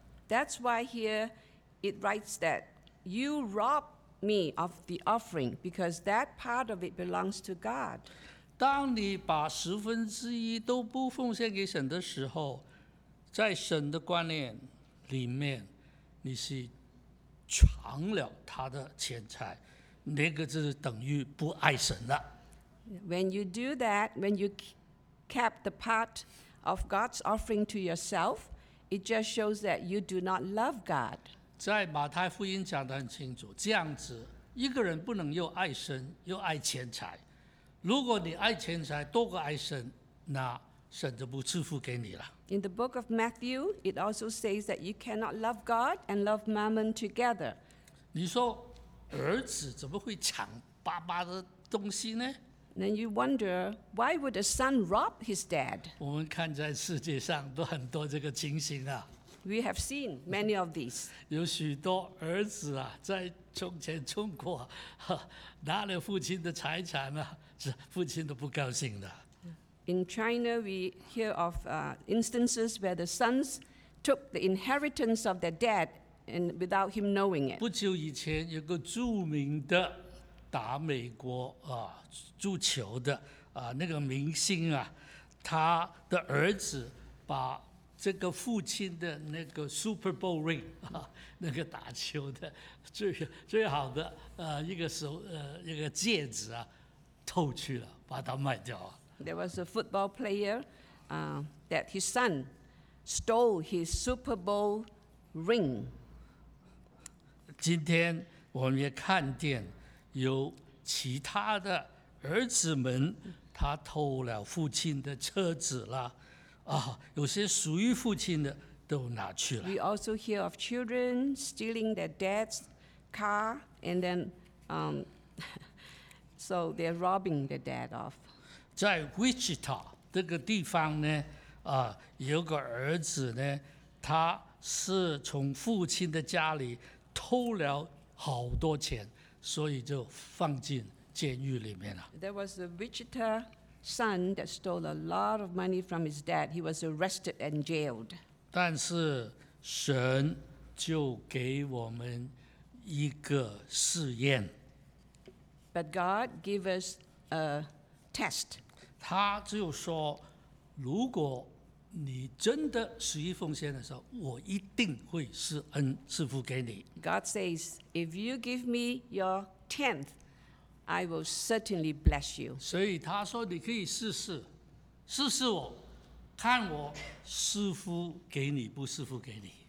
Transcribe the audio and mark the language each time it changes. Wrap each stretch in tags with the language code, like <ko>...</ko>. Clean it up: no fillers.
<en>That's why here it writes that you rob me of the offering because that part of it belongs to God.</en> <zh>当你把十分之一都不奉献给神的时候，在神的观念里面，你是抢了他的钱财，那个就是等于不爱神了。</zh> <en>When you do that, when you kept the part of God's offering to yourself, it just shows that you do not love God.</en> <zh>在马太福音讲得很清楚，这样子一个人不能又爱神又爱钱财。如果你爱钱财多过爱神，那神就不赐福给你了。</zh> <en>In the book of Matthew, it also says that you cannot love God and love mammon together.</en> <zh>你说儿子怎么会抢爸爸的东西呢？</zh> <en>Then you wonder, why would a son rob his dad?</en> <zh>我们看在世界上都很多这个情形啊。</zh> <en>We have seen many of these.</en> <zh>有许多儿子啊，在从前从过，拿了父亲的财产啊，是父亲都不高兴的。</zh> <en>In China, we hear of instances where the sons took the inheritance of their dad and without him knowing it.</en> <zh>不久以前，有个著名的打美国啊足球的啊那个明星啊，他的儿子把这个父亲的那个 Super Bowl ring 啊，那个打球的最好的一个戒指啊，偷去了，把它卖掉了。</zh> <en>There was a football player, that his son stole his Super Bowl ring.</en> <zh>今天我们也看见有其他的儿子们，他偷了父亲的车子了，啊，有些属于父亲的都拿去了。</zh> <en>We also hear of children stealing their dad's car, and then, so they're robbing their dad off.</en> <zh>在 Wichita 这个地方呢，啊，有个儿子呢，他是从父亲的家里偷了好多钱。所以就放进监狱里面了。</zh> <en>There was a Wichita son that stole a lot of money from his dad. He was arrested and jailed.</en> <zh>但是神就给我们一个试验。</zh> <en>But God gave us a test.</en> <zh>他就说，如果你真的十一奉献的时候，我一定会施恩赐福给你。</zh> <en>God says, if you give me your tenth, I will certainly bless you.</en> <zh>所以他说，你可以试试，试试我，看我施福给你不施福给你。</zh>